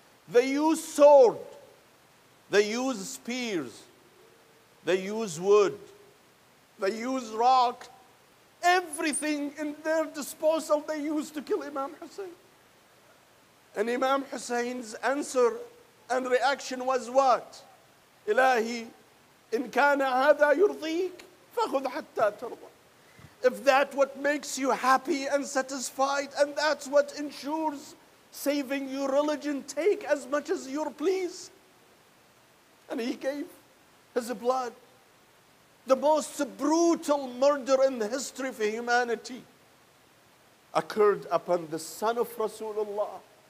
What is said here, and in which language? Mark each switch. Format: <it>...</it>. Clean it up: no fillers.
<en>They used sword, they used spears, they used wood, they used rock, everything in their disposal they used to kill Imam Hussein. And Imam Hussein's answer and reaction was what?</en> <ar>إلهي إن كان هذا يرضيك فخذ حتى ترضى.</ar> <en>If that what makes you happy and satisfied and that's what ensures saving your religion, take as much as you're pleased. And he gave his blood. The most brutal murder in the history of humanity occurred upon the son of Rasulullah.</en>